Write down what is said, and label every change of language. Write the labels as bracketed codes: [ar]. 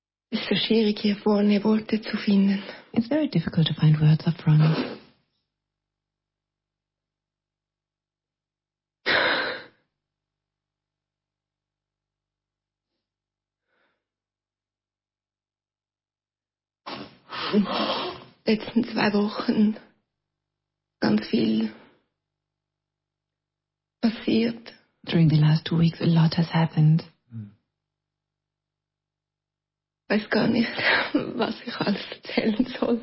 [de] Es ist so schwierig, hier vorne Worte zu finden. [en] It's very difficult to find words up front. [de] Letzten zwei Wochen ganz viel passiert. [en] During the last 2 weeks, a lot has happened. [de] Ich weiß gar nicht, was ich alles erzählen soll.